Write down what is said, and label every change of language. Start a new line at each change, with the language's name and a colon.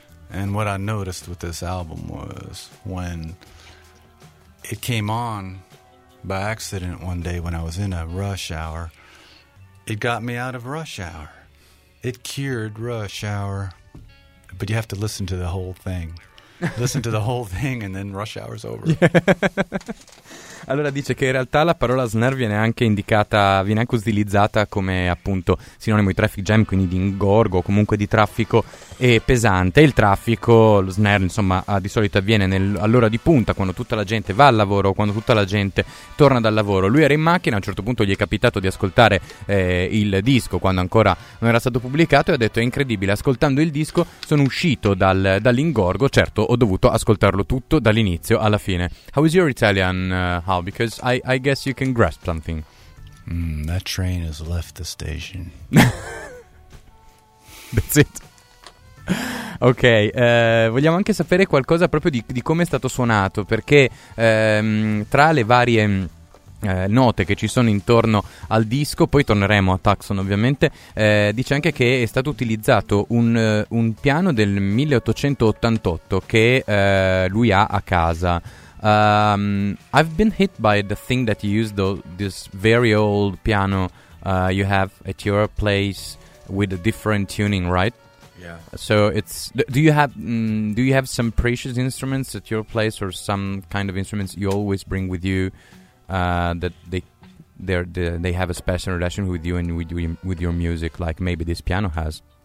English: And what I noticed with this album was when it came on by accident one day when I was in a rush hour, it got me out of rush hour. It cured rush hour. But you have to listen to the whole thing. Listen to the whole thing and then rush hour's over. Yeah.
Italian: Allora dice che in realtà la parola snare viene anche utilizzata come appunto sinonimo di traffic jam, quindi di ingorgo, comunque di traffico e pesante. Il traffico, lo snare, insomma, di solito avviene all'ora di punta, quando tutta la gente va al lavoro, quando tutta la gente torna dal lavoro. Lui era in macchina, a un certo punto gli è capitato di ascoltare il disco quando ancora non era stato pubblicato, e ha detto: è incredibile, ascoltando il disco sono uscito dall'ingorgo. Certo, ho dovuto ascoltarlo tutto dall'inizio alla fine.
English: How is your Italian? How? Because I guess you can grasp something. That train has left the station. That's it.
Italian: Ok, vogliamo anche sapere qualcosa proprio di come è stato suonato, perché tra le varie note che ci sono intorno al disco, poi torneremo a Tucson ovviamente, dice anche che è stato utilizzato un piano del 1888 che lui ha a casa.
English: I've been hit by the thing that you used this very old piano you have at your place with a different tuning, right? Yeah. So it's do you have some precious instruments at your place, or some kind of instruments you always bring with you that they have a special relation with you and with your music, like maybe this piano has?